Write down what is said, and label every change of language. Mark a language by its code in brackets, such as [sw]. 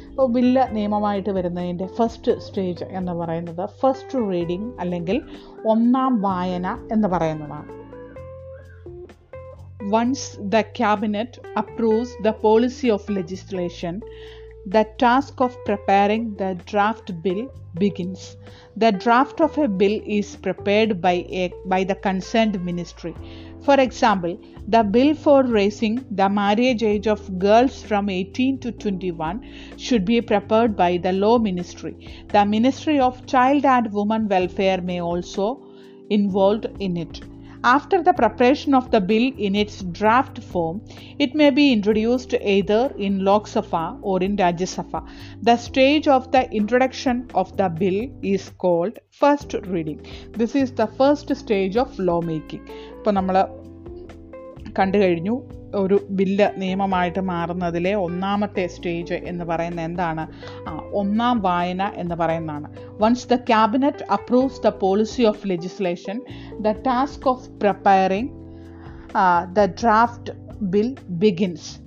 [ml] അപ്പോൾ ബില്ല് നിയമമായിട്ട് വരുന്നതിൻ്റെ first stage എന്ന് പറയുന്നത് ഫസ്റ്റ് റീഡിംഗ് അല്ലെങ്കിൽ ഒന്നാം വായന എന്ന് പറയുന്നതാണ്. [en] Once the cabinet approves the policy of legislation, the task of preparing the draft bill begins. The draft of a bill is prepared by the concerned ministry. For example, the bill for raising the marriage age of girls from 18 to 21 should be prepared by the law ministry. The ministry of child and woman welfare may also involved in it. After the preparation of the bill in its draft form, it may be introduced either in Lok Sabha or in Rajya Sabha. The stage of the introduction of the bill is called first reading. This is the first stage of lawmaking. [ml] ഇപ്പോൾ നമ്മൾ കണ്ടു കഴിഞ്ഞു ഒരു bill നിയമമായിട്ട് മാറുന്നതിലെ ഒന്നാമത്തെ stage എന്ന് പറയുന്ന എന്താണ്? ഒന്നാം വായന എന്ന് പറയുന്നതാണ്. [en] Once the cabinet approves the policy of legislation, the task of preparing the draft bill begins.